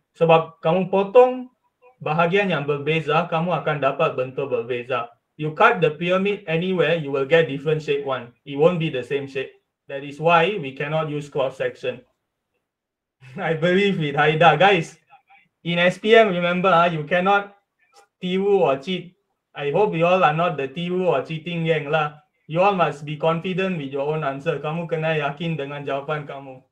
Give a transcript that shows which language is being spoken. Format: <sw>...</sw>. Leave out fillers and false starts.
<ms>Sebab kamu potong bahagian yang berbeza, kamu akan dapat bentuk berbeza.</ms> <en>You cut the pyramid anywhere, you will get different shape one. It won't be the same shape. That is why we cannot use cross-section. I believe it, Haida. Guys, in SPM, remember, you cannot tiru or cheat. I hope you all are not the tiru or cheating gang lah. You all must be confident with your own answer.</en> <ms>Kamu kena yakin dengan jawapan kamu.</ms>